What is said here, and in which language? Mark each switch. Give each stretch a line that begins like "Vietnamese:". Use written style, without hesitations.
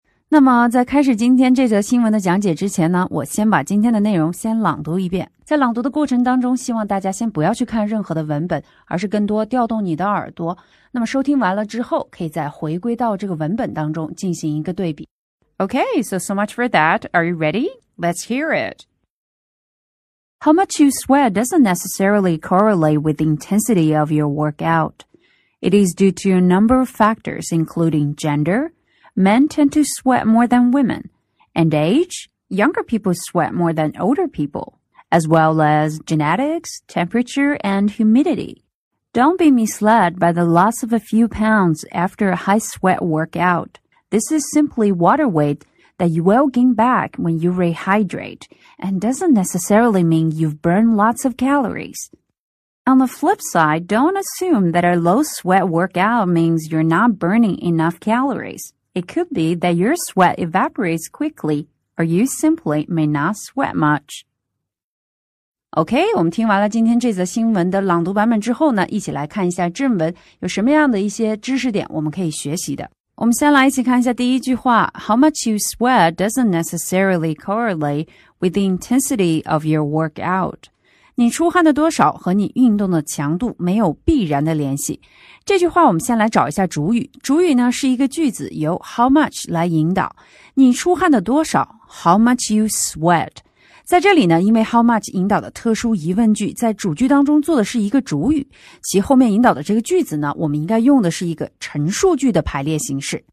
Chinese: 那么在开始今天这则新闻的讲解之前呢，我先把今天的内容先朗读一遍。在朗读的过程当中，希望大家先不要去看任何的文本，而是更多调动你的耳朵。那么收听完了之后，可以再回归到这个文本当中进行一个对比。
English: Okay, so much for that. Are you ready? Let's hear it. How much you sweat doesn't necessarily correlate with the intensity of your workout. It is due to a number of factors, including gender. Men tend to sweat more than women. And age, younger people sweat more than older people, as well as genetics, temperature, and humidity. Don't be misled by the loss of a few pounds after a high sweat workout. This is simply water weight that you will gain back when you rehydrate and doesn't necessarily mean you've burned lots of calories. On the flip side, don't assume that a low sweat workout means you're not burning enough calories. It could be that your sweat evaporates quickly or you simply may not sweat much.
Chinese: Okay, 我们听完了今天这则新闻的朗读版本之后呢，一起来看一下正文有什么样的一些知识点我们可以学习的。我们先来一起看一下第一句话
English: How much you sweat doesn't necessarily correlate with the intensity of your workout.
Chinese: 你出汗的多少和你运动的强度没有必然的联系。这句话我们先来找一下主语。主语呢是一个句子由 how much 来引导。你出汗的多少
English: How much you sweat。
Chinese: 在这里呢，因为 how much 引导的特殊疑问句在主句当中做的是一个主语，其后面引导的这个句子呢，我们应该用的是一个陈述句的排列形式。